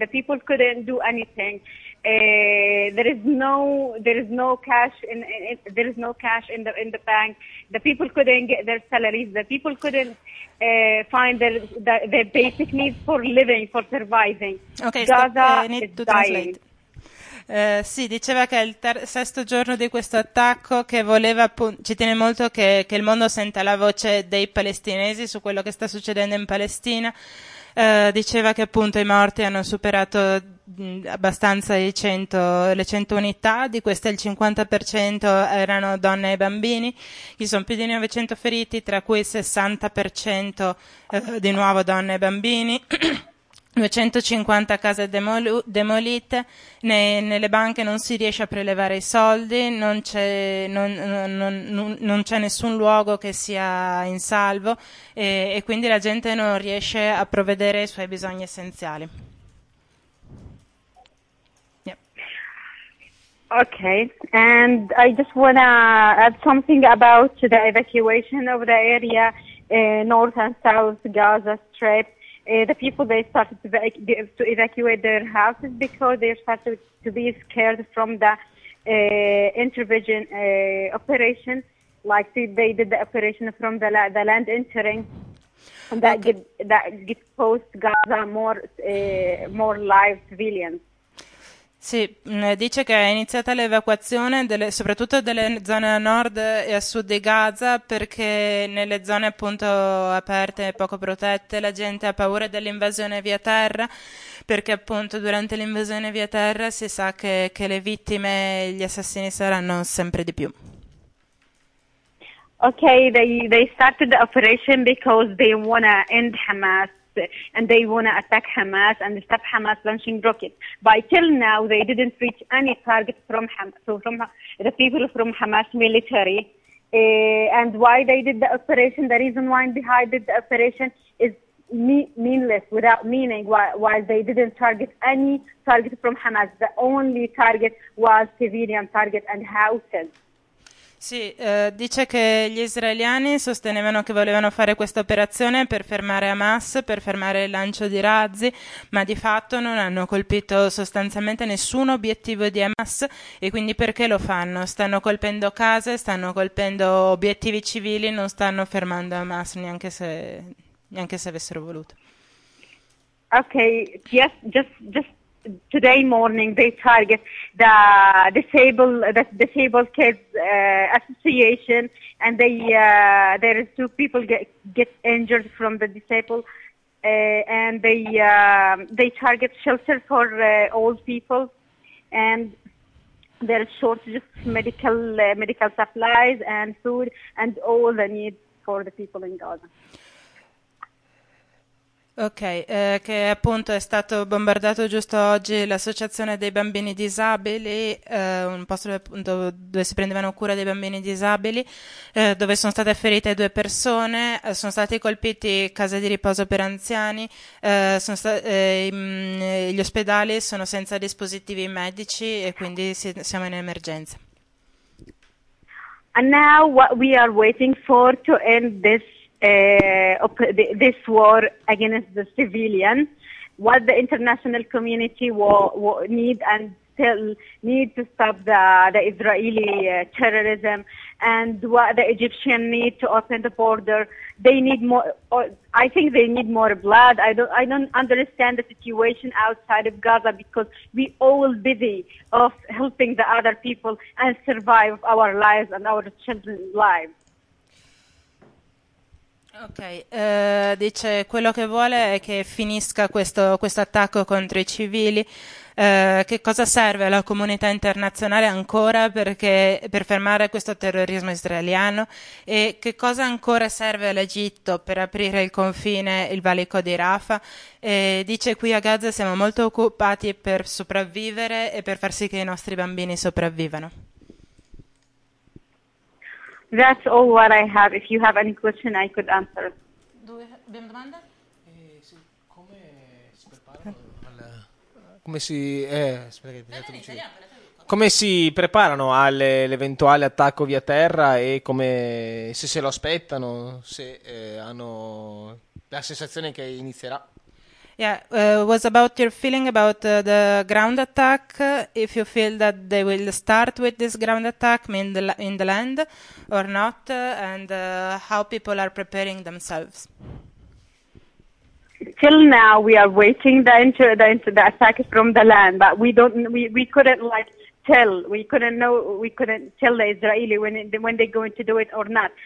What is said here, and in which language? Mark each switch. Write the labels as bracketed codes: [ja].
[en] The people couldn't do anything. There is no cash in the bank. The people couldn't get their salaries. The people couldn't find their basic needs for living, for surviving. Okay, Gaza is dying. [it] Sì, diceva che è il sesto giorno di questo attacco, che voleva, ci tiene molto che il mondo senta la voce dei palestinesi su quello che sta succedendo in Palestina. Diceva che appunto i morti hanno superato abbastanza le 100 unità, di queste il 50% erano donne e bambini, ci sono più di 900 feriti, tra cui il 60% di nuovo donne e bambini. 250 case demolite, nelle banche non si riesce a prelevare i soldi, non c'è nessun luogo che sia in salvo e quindi la gente non riesce a provvedere ai suoi bisogni essenziali. [en] Yeah. Okay, and I just wanna add something about the evacuation of the area north and south Gaza Strip. The people, they started to evacuate their houses because they started to be scared from the intervention operation, like they did the operation from the land entering that okay. that post Gaza more live civilians. [it] Sì, dice che è iniziata l'evacuazione soprattutto delle zone a nord e a sud di Gaza, perché nelle zone appunto aperte e poco protette la gente ha paura dell'invasione via terra, perché appunto durante l'invasione via terra si sa che le vittime e gli assassini saranno sempre di più. [en] Ok, they started the operation because they wanna end Hamas. And they want to attack Hamas and stop Hamas launching rockets. By till now, they didn't reach any targets from Hamas, so from the people from Hamas military. And why they did the operation, the reason why they did the operation is meaningless, without meaning, why they didn't target any target from Hamas. The only target was civilian target and houses. [it] Sì, dice che gli israeliani sostenevano che volevano fare questa operazione per fermare Hamas, per fermare il lancio di razzi, ma di fatto non hanno colpito sostanzialmente nessun obiettivo di Hamas, e quindi perché lo fanno? Stanno colpendo case, stanno colpendo obiettivi civili, non stanno fermando Hamas neanche se avessero voluto. [en] Ok, yes, just today morning they target the disabled kids association, and they there is two people get injured from the disabled and they target shelter for old people, and there is shortage of medical supplies and food and all the need for the people in Gaza. [it] Ok, che appunto è stato bombardato giusto oggi l'associazione dei bambini disabili, un posto appunto dove si prendevano cura dei bambini disabili, dove sono state ferite due persone, sono stati colpiti case di riposo per anziani, gli ospedali sono senza dispositivi medici e quindi siamo in emergenza. [en] And now what we are waiting for to end this this war against the civilian, what the international community need to stop the Israeli terrorism and what the Egyptian need to open the border. They need more. I think they need more blood. I don't understand the situation outside of Gaza, because we all busy of helping the other people and survive our lives and our children's lives. [it] Ok, dice quello che vuole è che finisca questo attacco contro i civili. Che cosa serve alla comunità internazionale ancora per fermare questo terrorismo israeliano? E che cosa ancora serve all'Egitto per aprire il confine, il valico di Rafah? Dice qui a Gaza siamo molto occupati per sopravvivere e per far sì che i nostri bambini sopravvivano. [en] That's all what I have. If you have any question, I could answer. [it] Abbiamo domande? Sì, come si preparano al... Come si... aspetta che... Come si preparano all'eventuale attacco via terra e come... Se se lo aspettano, se hanno la sensazione che inizierà. [en] Yeah, was about your feeling about the ground attack, if you feel that they will start with this ground attack in the land or not, and how people are preparing themselves. Till now we are waiting the attack from the land, but we couldn't tell the Israeli when they're going to do it or not.